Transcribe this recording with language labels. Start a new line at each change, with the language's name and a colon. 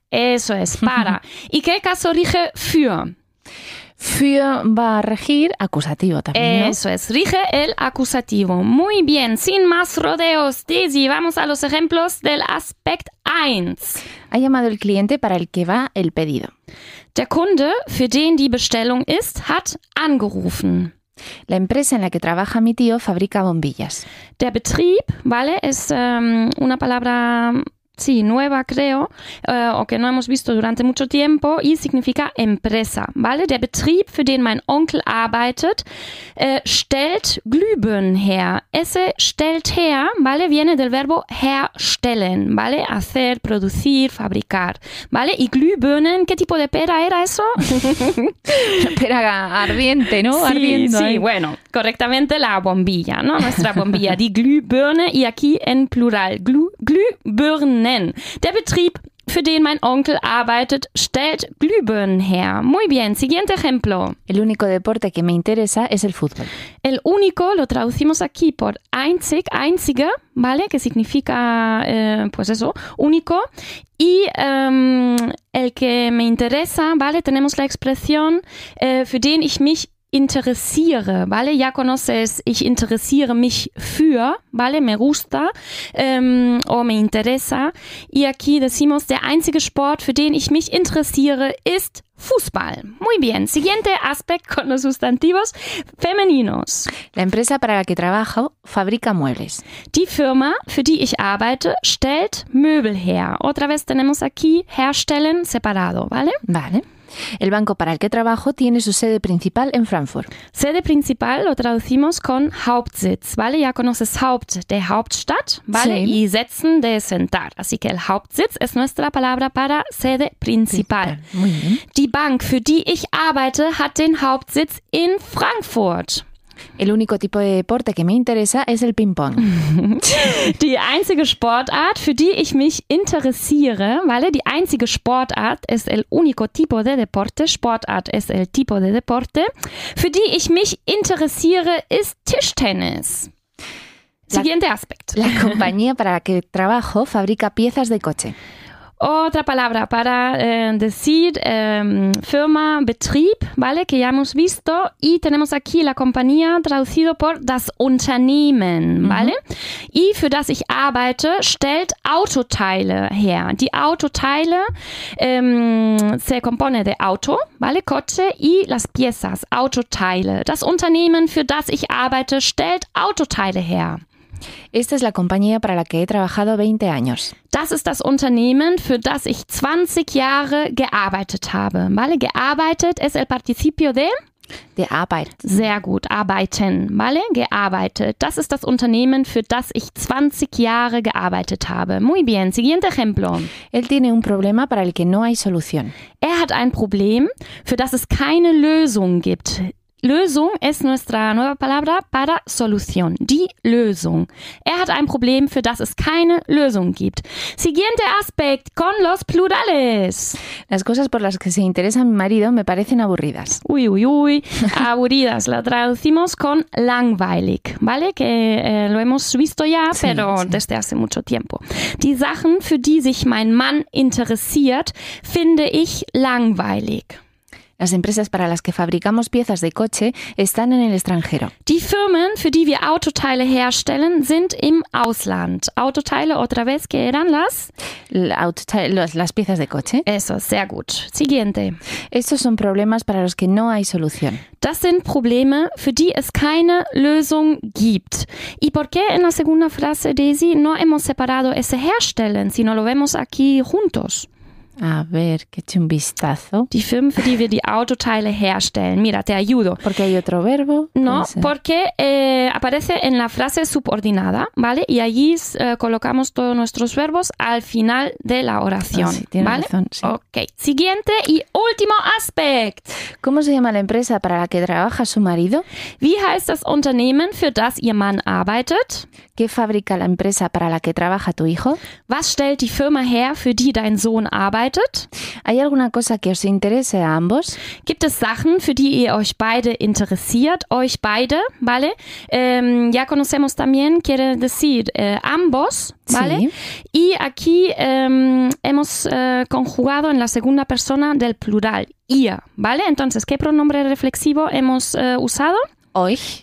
Spanish: Eso es, para. ¿Y qué caso rige für? Für va a regir acusativo también, ¿no? Eso es, rige el acusativo. Muy bien, sin más rodeos, Daisy, vamos a los ejemplos del aspect 1. Ha llamado el cliente para el que va el pedido.
German: Der Kunde, für den die Bestellung ist, hat angerufen.
Spanish: La empresa en la que trabaja mi tío fabrica bombillas.
German: Der Betrieb, ¿vale?
Spanish: Es una palabra, sí, nueva creo, o que no hemos visto durante mucho tiempo y significa empresa, ¿vale?
German: Der Betrieb, für den mein Onkel arbeitet, stellt Glühbirnen her.
Spanish: Ese
German: stellt her,
Spanish: ¿vale? Viene del verbo herstellen, ¿vale? Hacer, producir, fabricar, ¿vale? Y Glühbirnen, ¿qué tipo de pera era eso? Pera ardiente, ¿no? Sí, ardiente. Sí, bueno, correctamente la bombilla, ¿no? Nuestra bombilla,
German: die Glühbirne,
Spanish: y aquí en plural, Glühbirnen.
German: Der Betrieb, für den mein Onkel arbeitet, stellt Glühbirnen her.
Spanish: Muy bien, siguiente ejemplo. El único deporte que me interesa es el fútbol. El único lo traducimos aquí por einzig, einzige, ¿vale? Que significa, pues eso, único. Y el que me interesa, ¿vale? Tenemos la expresión,
German: für den ich mich interessiere, ¿vale?
Spanish: Ya conoces
German: ich interessiere mich für, ¿vale?
Spanish: Me gusta o me interesa. Y aquí decimos,
German: der einzige Sport, für den ich mich interessiere, ist Fußball.
Spanish: Muy bien. Siguiente aspecto con los sustantivos femeninos. La empresa para la que trabajo fabrica muebles.
German: Die Firma, für die ich arbeite, stellt Möbel her.
Spanish: Otra vez tenemos aquí herstellen separado, ¿vale? Vale. El banco para el que trabajo tiene su sede principal en Frankfurt. Sede principal lo traducimos con Hauptsitz, ¿vale? Ya conoces Haupt, de Hauptstadt, ¿vale? Sí. Y Sitzen, de sentar. Así que el Hauptsitz es nuestra palabra para sede principal. Muy bien.
German: Die Bank, für die ich arbeite, hat den Hauptsitz in Frankfurt.
Spanish: El único tipo de deporte que me interesa es el ping-pong.
German: Die einzige Sportart, für die ich mich interessiere, ¿vale? Die einzige Sportart
Spanish: es el único tipo de deporte. Sportart es el tipo de deporte.
German: Für die ich mich interessiere, ist Tischtennis.
Spanish: Siguiente aspecto. La compañía para la que trabajo fabrica piezas de coche. Otra palabra para decir firma, Betrieb, ¿vale? Que ya hemos visto. Y tenemos aquí la compañía traducido por
German: das Unternehmen,
Spanish: ¿vale?
German: Uh-huh. Y für das ich arbeite stellt Autoteile her. Die Autoteile
Spanish: se compone de Auto, ¿vale? Coche y las piezas,
German: Autoteile. Das Unternehmen für das ich arbeite stellt Autoteile her.
Spanish: Esta es la compañía para la que he trabajado 20 años.
German: Das ist das Unternehmen, für das ich 20 Jahre gearbeitet habe.
Spanish: ¿Vale? Gearbeitet es el participio de... De Arbeit.
German: Sehr gut. Arbeiten. ¿Vale? Gearbeitet. Das ist das Unternehmen, für das ich 20 Jahre gearbeitet habe.
Spanish: Muy bien. Siguiente ejemplo. Él tiene un problema para el que no hay solución.
German: Er hat ein Problem, für das es keine Lösung gibt.
Spanish: Lösung es nuestra nueva palabra para solución.
German: Die Lösung. Er hat ein Problem, für das es keine Lösung gibt.
Spanish: Siguiente aspect con los plurales. Las cosas por las que se interesa mi marido me parecen aburridas. Uy, uy, uy. Aburridas. La traducimos con langweilig, ¿vale? Que lo hemos visto ya, sí, pero sí. Desde hace mucho tiempo.
German: Die Sachen, für die sich mein Mann interessiert, finde ich langweilig.
Spanish: Las empresas para las que fabricamos piezas de coche están en el extranjero.
German: Die Firmen, für die wir Autoteile herstellen, sind im Ausland.
Spanish: Autoteile, otra vez, ¿qué eran las? Las piezas de coche. Eso,
German: sehr gut.
Spanish: Siguiente. Estos son problemas para los que no hay solución.
German: Das sind Probleme, für die es keine Lösung gibt.
Spanish: ¿Y por qué en la segunda frase, Daisy, no hemos separado ese herstellen, sino lo vemos aquí juntos? A ver, que eche un vistazo.
German: Die Firmen, für die wir die Autoteile herstellen.
Spanish: Mira, te ayudo. Porque hay otro verbo. No, porque aparece en la frase subordinada, ¿vale? Y allí colocamos todos nuestros verbos al final de la oración. Oh, sí, tiene ¿vale? razón, sí. Ok, siguiente y último aspect. ¿Cómo se llama la empresa para la que trabaja su marido?
German: Wie heißt das Unternehmen, für das ihr Mann arbeitet?
Spanish: ¿Qué fabrica la empresa para la que trabaja tu hijo?
German: Was stellt die Firma her, für die dein Sohn arbeitet?
Spanish: ¿Hay alguna cosa que os interese a ambos?
German: Gibt es Sachen, für die ihr euch beide interessiert? Euch beide, ¿vale?
Spanish: Ya conocemos también, quiere decir ambos, ¿vale? Sí. Y aquí hemos conjugado en la segunda persona del plural, ihr, ¿vale? Entonces, ¿qué pronombre reflexivo hemos usado?
German: Euch.